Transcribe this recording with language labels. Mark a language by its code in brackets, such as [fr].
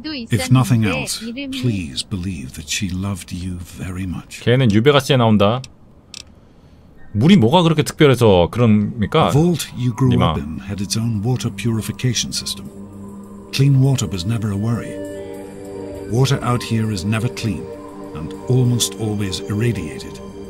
[en] If nothing else, please believe that she loved you very much. [ko] 걔는 유베가스에 나온다. 물이 뭐가 그렇게 특별해서 그럽니까? [en] The vault you grew up in had its own water purification system. Clean water was never a worry. Water out here is never clean and almost always irradiated.